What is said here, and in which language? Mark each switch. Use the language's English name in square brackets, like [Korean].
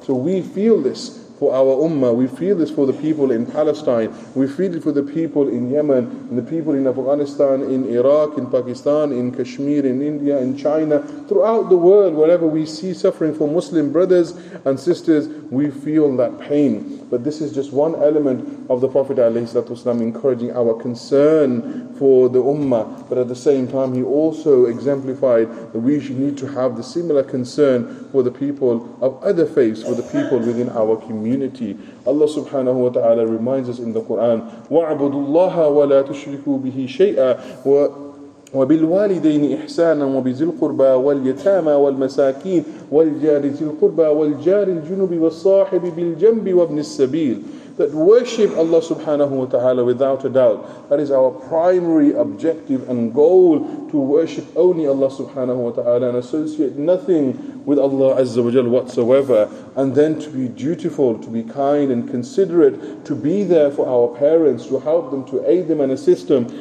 [English] So we feel this for our ummah, we feel this for the people in Palestine, we feel it for the people in Yemen, and the people in Afghanistan, in Iraq, in Pakistan, in Kashmir, in India, in China, throughout the world, wherever we see suffering for Muslim brothers and sisters, we feel that pain. But this is just one element of the Prophet ﷺ encouraging our concern for the ummah. But at the same time, he also exemplified that we should need to have the similar concern for the people of other faiths, for the people within our community. Allah subhanahu wa ta'ala reminds us in the Quran, [Arabic] وَعْبُدُ اللَّهَ وَلَا تُشْرِكُوا بِهِ شَيْئًا وَبِالْوَالِدَيْنِ إِحْسَانًا وَبِذِي الْقُرْبَى وَالْيَتَامَى وَالْمَسَاكِينِ وَالْجَارِ ذِي الْقُرْبَى وَالْجَارِ الْجُنُبِ وَالصَّاحِبِ بِالْجَنْبِ وَابْنِ السَّبِيلِ. [English] That worship Allah subhanahu wa ta'ala without a doubt. That is our primary objective and goal, to worship only Allah subhanahu wa ta'ala and associate nothing with Allah azza wa jal whatsoever. And then to be dutiful, to be kind and considerate, to be there for our parents, to help them, to aid them and assist them.